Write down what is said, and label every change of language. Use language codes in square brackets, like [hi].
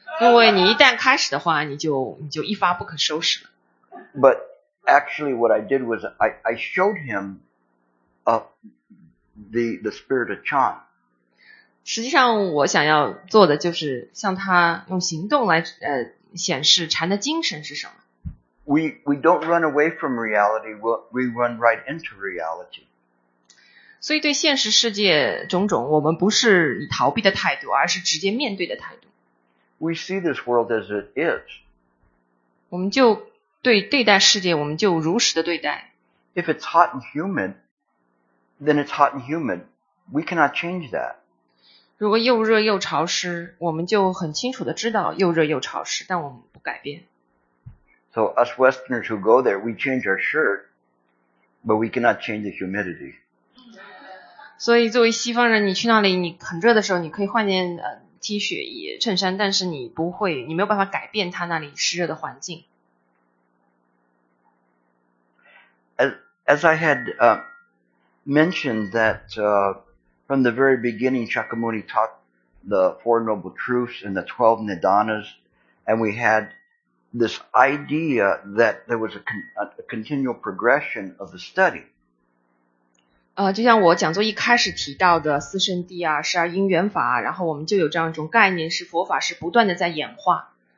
[zh] 因为你一旦开始的话，你就一发不可收拾了。 [en] But actually, what I did was I showed him the spirit of charm. [zh] 实际上，我想要做的就是向他用行动来显示禅的精神是什么。 [en] We don't run away from reality. We run right into reality. [zh] 所以对现实世界种种，我们不是以逃避的态度，而是直接面对的态度。 [en] We see this world as it is. [zh] 我们就对待世界，我们就如实的对待。 [en] If it's hot and humid, then it's hot and humid. We cannot change that. [zh] 如果又热又潮湿，我们就很清楚的知道又热又潮湿，但我们不改变。 [en] So us Westerners who go there, we change our shirt, but we cannot change the humidity. [zh] 所以作为西方人，你去那里，你很热的时候，你可以换件T 恤、衬衫，但是你不会，你没有办法改变它那里湿热的环境。 [en] As I had mentioned that from the very beginning, Shakyamuni taught the Four Noble Truths and the 12 Nidanas, and we had this idea that there was a continual progression of the study. [zh] 就像我讲座一开始提到的四圣谛啊，十二因缘法，然后我们就有这样一种概念，是佛法是不断的在演化。